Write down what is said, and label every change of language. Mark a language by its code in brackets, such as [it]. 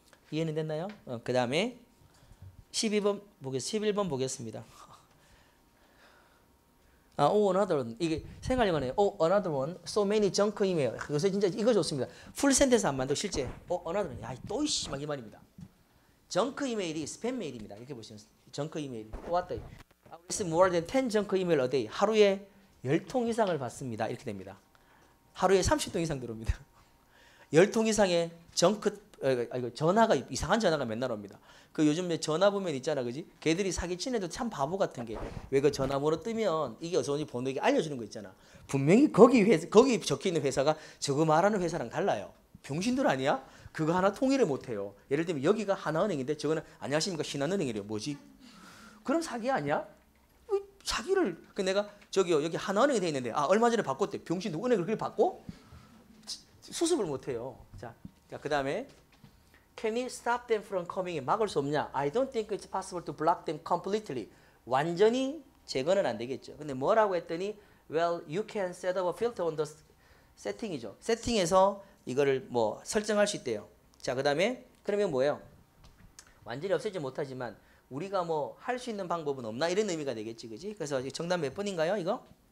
[ko] 이해는 됐나요? 그다음에 11번 보겠습니다. [en] 아, oh, another one. [ko] 이게 생활용어네요. [en] Oh, another one. So many junk email. [ko] 요새 진짜 이거 좋습니다. 풀 센텐스 안 만들고 실제. [en] Oh, another one. [ko] 야, 또 이씨 막이 말입니다. 정크 이메일이 스팸 메일입니다. 이렇게 보시면 정크 이메일. 또 왔다. [en] I receive more than 10 junk email a day. [ko] 하루에 10통 이상을 받습니다. 이렇게 됩니다. 하루에 30통 이상 들어옵니다. 10통 이상의 정크 이거 전화가 이상한 전화가 맨날 옵니다. 그 요즘에 전화 보면 있잖아, 그지? 걔들이 사기 친애도 참 바보 같은 게왜그 전화번호 뜨면 이게 어디서 오는지 번호 이게 알려주는 거 있잖아. 분명히 거기 적혀 있는 회사가 저거 말하는 회사랑 달라요. 병신들 아니야? 그거 하나 통일을 못해요. 예를 들면 여기가 하나은행인데 저거는 안녕하십니까 신한은행이래요. 뭐지? 그럼 사기 아니야? 사기를. 그 내가 저기요 여기 하나은행이 돼 있는데 아 얼마 전에 바꿨대. 병신 누구 은행을 그렇게 바꿔? 수습을 못해요. 자, 그 다음에 [en] Can you stop them from coming? [ko] 막을 수 없냐? [en] I don't think it's possible to block them completely. [ko] 완전히 제거는 안 되겠죠. 근데 뭐라고 했더니 [en] Well, you can set up a filter on the setting이죠. [ko] 세팅에서 이거를 뭐 설정할 수 있대요. 자, 그 다음에 그러면 뭐예요? 완전히 없애지 못하지만 우리가 뭐 할 수 있는 방법은 없나? 이런 의미가 되겠지, 그지? 그래서 정답 몇 번인가요, 이거?